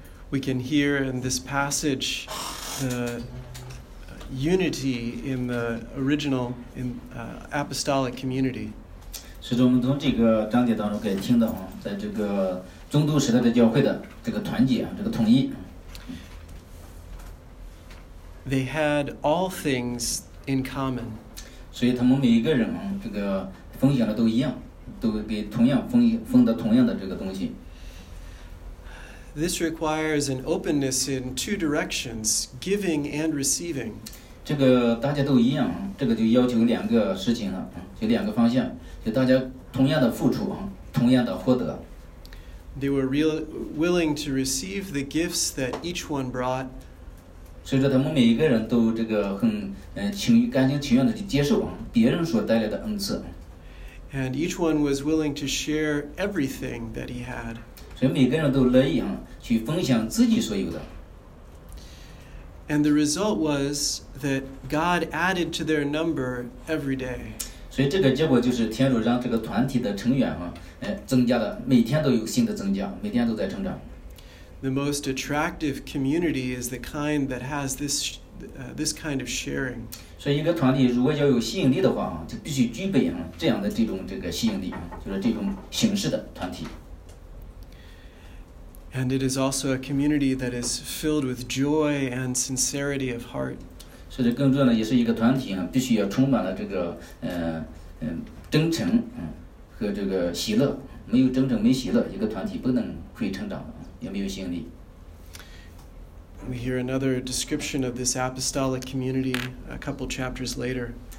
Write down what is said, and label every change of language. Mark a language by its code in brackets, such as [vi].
[en] We can hear in this passage the unity in the original in apostolic community. [zh] 所以我们从这个章节当中可以听到，在这个宗徒时代的教会的这个团结，这个统一。 [en] They had all things in common. [zh] 所以他们每一个人这个奉献的都一样，都给同样奉的同样的这个东西。 [en] This requires an openness in two directions, giving and receiving. [zh] 这个大家都一样，这个就要求两个事情了，就两个方向，就大家同样的付出，同样的获得。 [en] They were willing to receive the gifts that each one brought. [zh] 所以说他们每一个人都这个很情甘心情愿的去接受别人所带来的恩赐。 [en] And each one was willing to share everything that he had. [zh] 所以每个人都乐意去分享自己所有的。 [en] And the result was that God added to their number every day. [zh] 所以这个结果就是天主让这个团体的成员增加了，每天都有新的增加，每天都在成长。 [en] The most attractive community is the kind that has this, this kind of sharing. [zh] 所以一个团体如果要有吸引力的话，就必须具备这样的这种这个吸引力，就是这种形式的团体。 [en] And it is also a community that is filled with joy and sincerity of heart. [zh] 所以更重要的也是一个团体必须要充满了这个真诚和这个喜乐。没有真诚没喜乐，一个团体不能会成长的。 [en] We hear another description of this apostolic community a couple chapters later.